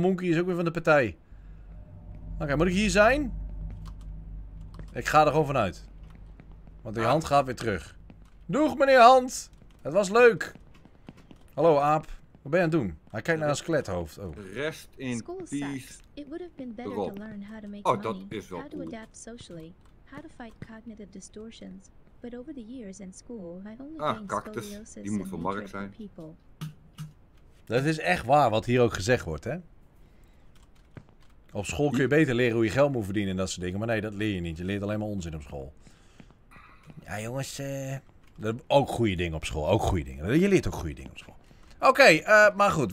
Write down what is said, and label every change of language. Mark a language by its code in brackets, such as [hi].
[nl] Monkey is ook weer van de partij. Oké, moet ik hier zijn? Ik ga er gewoon vanuit. Want die hand gaat weer terug. Doeg, meneer Hand. Het was leuk. Hallo, aap. Wat ben je aan het doen? Hij kijkt naar een skelethoofd. Oh. [en] Rest in peace. Rob. [nl] Oh, dat is wel cool. [en] How to adapt socially. How to fight cognitive distortions. But over the years in school, I've only gained scoliosis. [nl] Die moet van Mark zijn. Dat is echt waar wat hier ook gezegd wordt, hè? Op school kun je beter leren hoe je geld moet verdienen en dat soort dingen. Maar nee, dat leer je niet. Je leert alleen maar onzin op school. Ja, jongens. Ook goede dingen op school. Ook goede dingen. Je leert ook goede dingen op school. Oké, maar goed.